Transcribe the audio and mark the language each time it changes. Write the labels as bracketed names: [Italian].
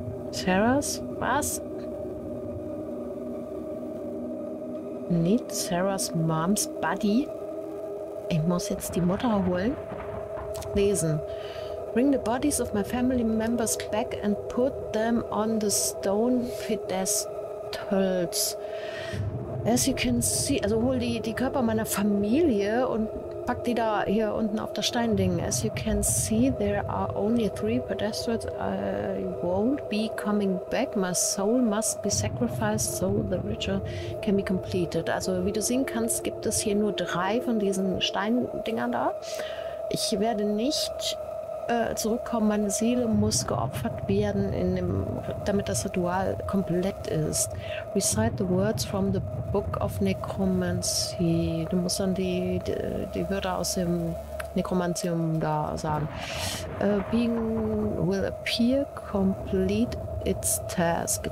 [German] Sarahs? Was? [English] Need Sarahs Mom's Buddy? [German] Ich muss jetzt die Mutter holen. Lesen. [English] Bring the bodies of my family members back and put them on the stone pedestals. As you can see, [German] also hol die Körper meiner Familie und pack die da hier unten auf das Steinding. [English] As you can see, there are only three pedestals. I won't be coming back. My soul must be sacrificed so the ritual can be completed. [German] Also wie du sehen kannst, gibt es hier nur drei von diesen Steindingern da. Ich werde nicht zurückkommen. Meine Seele muss geopfert werden, damit das Ritual komplett ist. [English] Recite the words from the Book of Necromancy. [German] Du musst dann die Wörter aus dem Necromantium da sagen. [English] Being will appear, complete its task.